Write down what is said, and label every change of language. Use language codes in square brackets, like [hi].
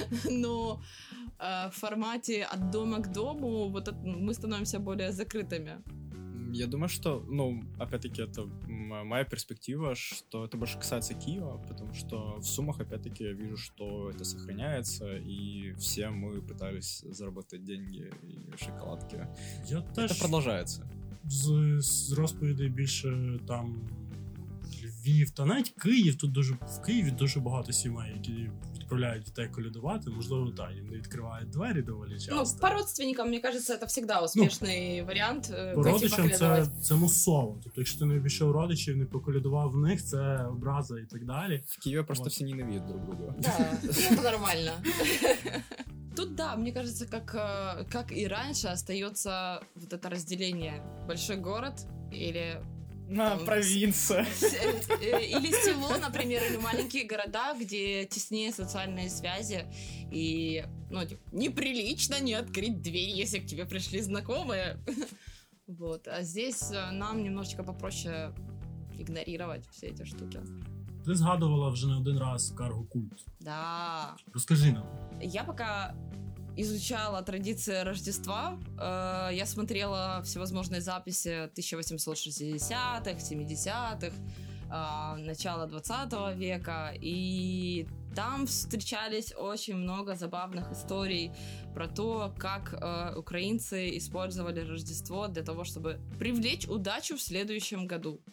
[ru] Но в формате от дома к дому вот это, мы становимся более закрытыми. Я думаю, что, ну, опять-таки, это моя перспектива, что это больше касается Киева, потому что в суммах, опять-таки, я вижу, что это сохраняется, и все мы пытались заработать деньги и шоколадки. Это продолжается. [uk] З розповідей більше там Львів, та навіть Київ, тут дуже, в Києві дуже багато сімей, які відправляють дітей колядувати, можливо, так, їм не відкривають двері доволі часто. Ну, [ru] по родственникам, [uk] мені кажеться, це завжди успішний варіант. По родичам це мусово, тобто якщо ти не обійшов родичів, не поколядував в них, це образа і так далі. В Києві просто всі ненавидять друг друга. Так, це нормально. [ru] Тут да, мне кажется, как и раньше, остается вот это разделение. Большой город или... На провинция. Или село, например, или маленькие города, где теснее социальные связи. И, ну, неприлично не открыть дверь, если к тебе пришли знакомые. Вот. А здесь нам немножечко попроще игнорировать все эти штуки. [uk] Ти згадувала вже не один раз карго-культ. [ru] Да. [uk] Розкажи нам. [ru] Я пока изучала традиции Рождества, я смотрела всевозможные записи 1860-х, 70-х, начала 20 века, и там встречались очень много забавных историй про то, как украинцы использовали Рождество для того, чтобы привлечь удачу в следующем году.